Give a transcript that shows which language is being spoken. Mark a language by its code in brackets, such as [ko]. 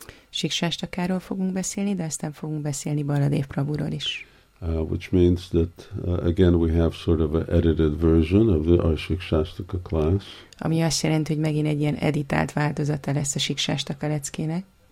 [hu] Shikshashtakáról fogunk beszélni, de aztán fogunk beszélni Baladev Prabhuról is. [en] Which means that again we have sort of an edited version of our Shikshashtaka class. [hu] Ami azt jelenti, hogy megint egy ilyen editált változata lesz a Shikshashtaka leckének.